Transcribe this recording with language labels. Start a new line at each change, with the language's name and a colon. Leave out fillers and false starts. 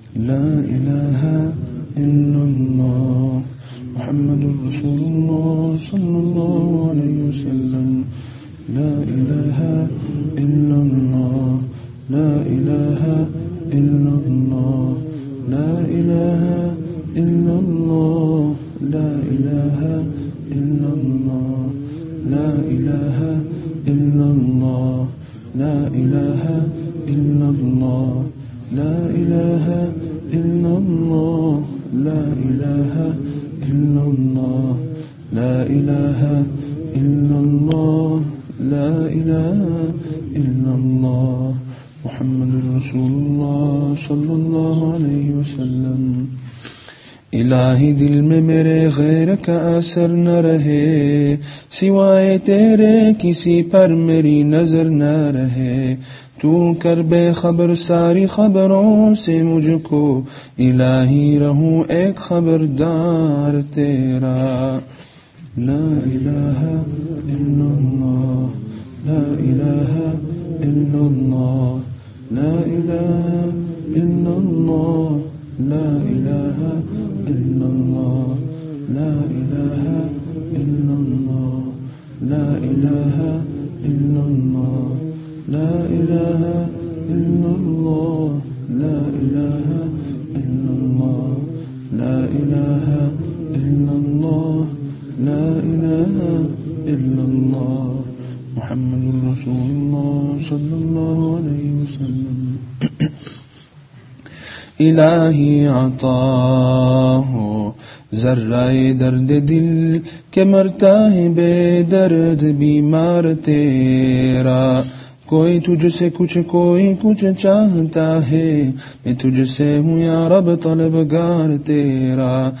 Arabic: لا الہ الا اللہ محمد رسول اللہ صلی اللہ علیہ وسلم. لا الہ الا اللہ، لا الہ إلا الله، لا إله إلا الله، لا إله إلا الله، لا إله إلا الله، لا إله إلا الله، لا إله إلا الله، لا إله إلا الله، لا إله إلا الله، لا إله إلا الله. محمد رسول اللہ صلی اللہ علیہ وسلم.
Urdu: الہی دل میں میرے غیر کا اثر نہ رہے، سوائے تیرے کسی پر میری نظر نہ رہے. تو کر بے خبر ساری خبروں سے مجھ کو، الہی رہوں ایک خبردار تیرا.
Arabic: لا الہ الا اللہ، لا الہ الا اللہ، لا إله إلا الله، لا إله إلا الله، لا إله إلا الله، لا إله إلا الله، لا إله إلا الله، لا إله إلا الله، لا إله إلا الله، لا إله إلا الله، محمد رسول الله صلى الله عليه وسلم.
Urdu: إلهي عطاه ذرہ درد دل کے مرتا ہے بے درد بیمار تیرا. کوئی تجھ سے کچھ، کوئی کچھ چاہتا ہے، میں تجھ سے ہوں یا رب طلبگار تیرا.